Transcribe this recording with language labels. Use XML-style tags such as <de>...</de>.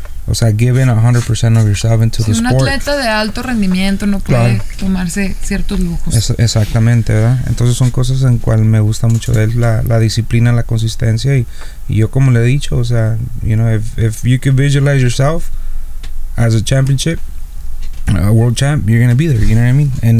<es>O sea,</es> <en>giving 100% of yourself into the sport.</en> <es>Un atleta de alto rendimiento no puede claro. tomarse ciertos lujos. Exactamente, ¿verdad? Entonces son cosas en cual me gusta mucho de él, la disciplina, la consistencia. Y yo, como le he dicho, o sea,</es> <en>you know, if you can visualize yourself as a championship, a world champ, you're going to be there, you know what I mean?</en>